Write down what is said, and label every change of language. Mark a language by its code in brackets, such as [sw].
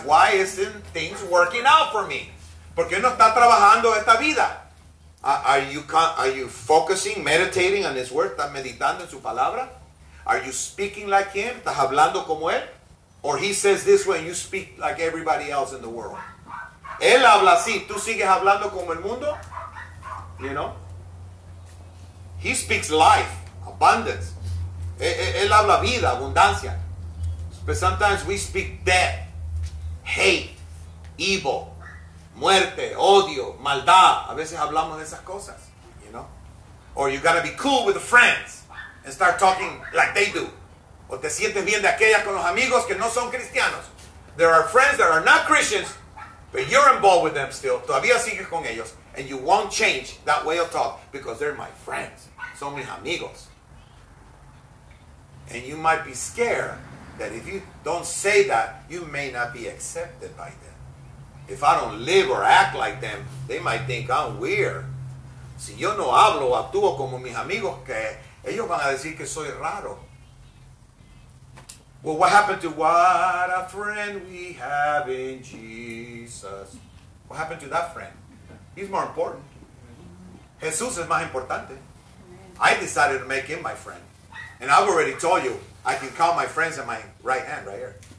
[en] Why isn't things working out for me? [es] Porque no está trabajando esta vida. [en] Are you focusing, meditating on his word? [es] ¿Estás meditando en su palabra? [en] Are you speaking like him? [es] ¿Estás hablando como él? [en] Or he says this way, you speak like everybody else in the world. [es] Él habla así, tú sigues hablando como el mundo. [en] You know? He speaks life, abundance. [es] Él habla vida, abundancia. [en] But sometimes we speak death, hate, evil, [es] muerte, odio, maldad. A veces hablamos de esas cosas, you know? [en] Or you gotta be cool with the friends and start talking like they do. [es] O te sientes bien de aquellas con los amigos que no son cristianos. [en] There are friends that are not Christians, but you're involved with them still. [es] Todavía sigues con ellos. [en] And you won't change that way of talk because they're my friends. [es] Son mis amigos. [en] And you might be scared that if you don't say that, you may not be accepted by them. If I don't live or act like them, they might think I'm weird. [es] Si yo no hablo o actúo como mis amigos, que ellos van a decir que soy raro. [en] Well, what happened to what a friend we have in Jesus? What happened to that friend? He's more important. [es] Jesús es más importante. [en] I decided to make him my friend. And I've already told you, I can count my friends in my right hand, right here.